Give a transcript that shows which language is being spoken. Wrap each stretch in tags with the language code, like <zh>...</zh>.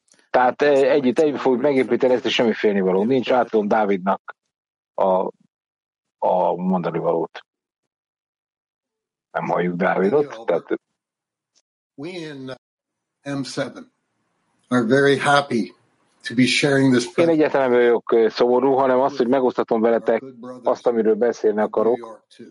<hu>Tehát együtt fogjuk megépíteni ezt, és semmi félni való. Nincs, átadom Dávidnak a mondani valót. Nem halljuk Dávidot. Tehát...</hu> <en>We in M7 are very happy to be sharing this</en> <hu>én egyáltalán nem vagyok szomorú, hanem azt, hogy megosztatom veletek azt, amiről beszélni akarok.</hu>